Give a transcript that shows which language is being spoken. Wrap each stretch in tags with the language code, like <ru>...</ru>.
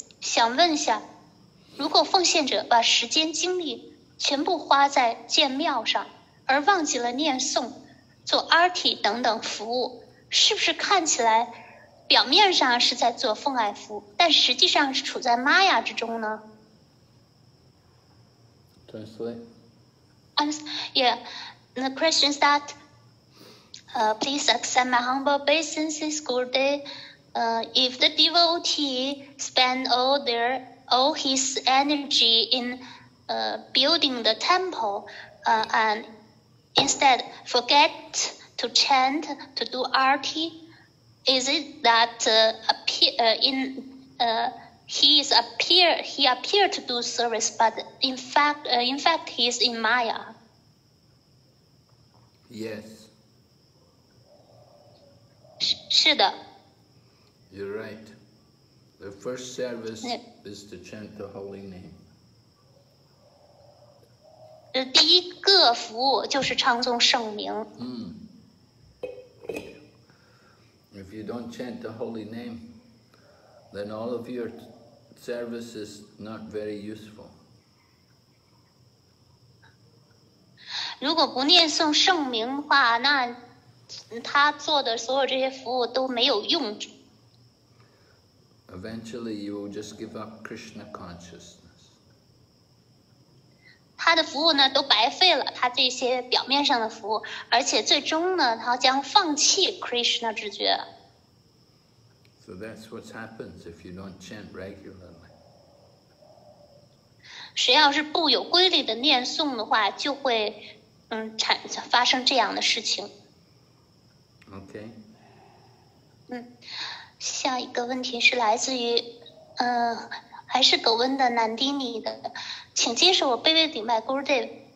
<zh>想问一下，如果奉献者把时间精力全部花在建庙上，而忘记了念诵、做 arti 等等服务，是不是看起来？表面上是在做奉爱服，但实际上是处在玛雅之中呢。</zh> <en>Translate. Yeah, the question is that, please accept my humble obeisances, Gurudev. If the devotee spend all his energy in, building the temple, and instead forget to chant to do arti. Is it that he appear to do service, but in fact he is in Maya? Yes.</en> <zh>是的。</zh> <en>You're right. The first service is to chant the holy name.</en> <zh>第一个服务就是唱诵圣名。</zh> <en>If you don't chant the holy name, then all of your service is not very useful.</en> <zh>如果不念诵圣名的话，那他做的所有这些服务都没有用。</zh> <en>Eventually, you will just give up Krishna consciousness.</en> <zh>他的服务呢都白费了，他这些表面上的服务，而且最终呢，他将放弃 Krishna 知觉。</zh> <en>So that's what happens if you don't chant regularly.</en> <zh>谁要是不有规律的念诵的话，就会发生这样的事情。</zh> <en>Okay.</en> <zh>下一个问题是来自于，还是狗温的南丁尼的，请接受我卑微顶拜 Gurudev。</zh>